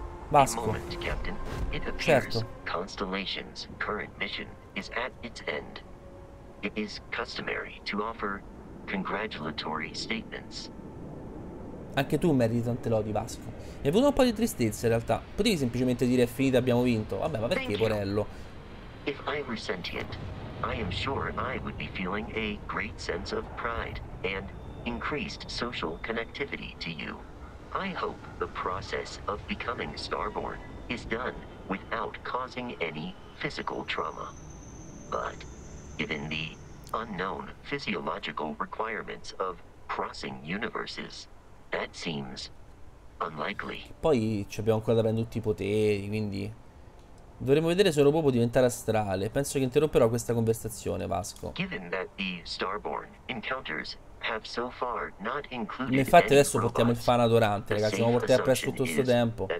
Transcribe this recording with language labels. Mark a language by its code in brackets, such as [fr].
[en] Vasco. Certo. Constellation's current mission is at its end. It is customary to offer congratulatory statements. [it] Anche tu meriti tante lodi, Vasco. Mi è venuto un po' di tristezza, in realtà. Potevi semplicemente dire è finita, abbiamo vinto. Vabbè, ma perché, porello? [en] If I were sentient, I am sure I would be feeling a great sense of pride and increased social connectivity to you. I hope the process of becoming Starborn is done without causing any physical trauma. But given the unknown physiological requirements of crossing universes, that seems unlikely. [it] Poi ci abbiamo ancora da prendere tutti i poteri, quindi dovremmo vedere se può diventare astrale. Penso che interromperò questa conversazione, Vasco. [en] Given that the Starborn encounters have so far not included. [it] In effetti adesso portiamo il fan adorante, ragazzi, dobbiamo portare appresso tutto questo tempo.